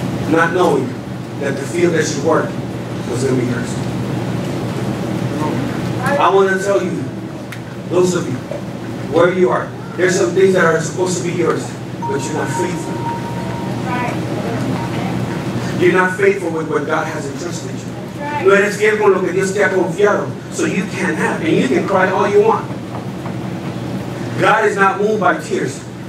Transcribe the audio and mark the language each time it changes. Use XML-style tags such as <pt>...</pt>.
<en>Not knowing that the field that she worked was going to be hers. I want to tell you, those of you, where you are, there's some things that are supposed to be yours, but you're not faithful. You're not faithful with what God has entrusted you.</en> <es>No eres fiel con lo que Dios te ha confiado.</es> <en>So you can't have, and you can cry all you want. God is not moved by tears.</en>